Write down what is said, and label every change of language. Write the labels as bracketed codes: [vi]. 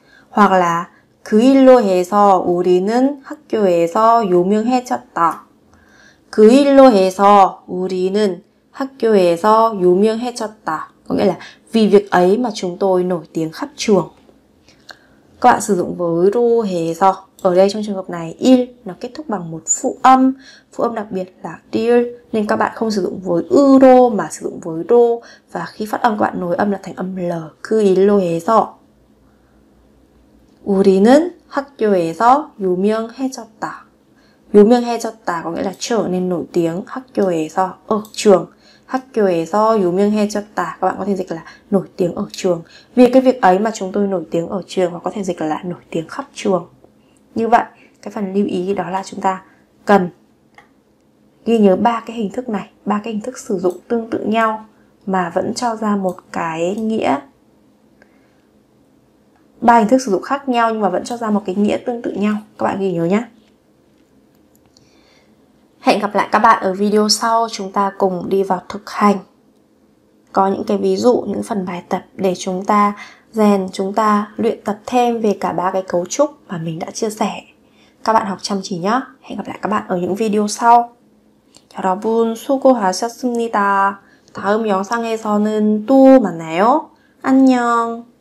[vi] hoặc là [ko] 그 일로 해서 우리는 학교에서 유명해졌다. 그 일로 해서 우리는 학교에서 유명해졌다. [vi] Có nghĩa là vì việc ấy mà chúng tôi nổi tiếng khắp trường. Các bạn sử dụng với [ko] 로 해서. [vi] Ở đây trong trường hợp này, 일 nó kết thúc bằng một phụ âm đặc biệt là 일, nên các bạn không sử dụng với 으로 mà sử dụng với 로, và khi phát âm các bạn nối âm là thành âm L. [ko] 그 일로 해서 우리는 학교에서 유명해졌다. [vi] 유명해졌다 có nghĩa là trở nên nổi tiếng, 학교에서 ở trường. [ko] 학교에서 유명해졌다 [vi] các bạn có thể dịch là nổi tiếng ở trường. Vì cái việc ấy mà chúng tôi nổi tiếng ở trường, và có thể dịch là nổi tiếng khắp trường. Như vậy, cái phần lưu ý đó là chúng ta cần ghi nhớ ba cái hình thức này, ba cái hình thức sử dụng tương tự nhau mà vẫn cho ra một cái nghĩa. Ba hình thức sử dụng khác nhau nhưng mà vẫn cho ra một cái nghĩa tương tự nhau. Các bạn ghi nhớ nhé. Hẹn gặp lại các bạn ở video sau, chúng ta cùng đi vào thực hành. Có những cái ví dụ, những phần bài tập để chúng ta rèn, chúng ta luyện tập thêm về cả ba cái cấu trúc mà mình đã chia sẻ. Các bạn học chăm chỉ nhé. Hẹn gặp lại các bạn ở những video sau. [ko] 여러분 수고하셨습니다. 다음 영상에서는 또 만나요. 안녕.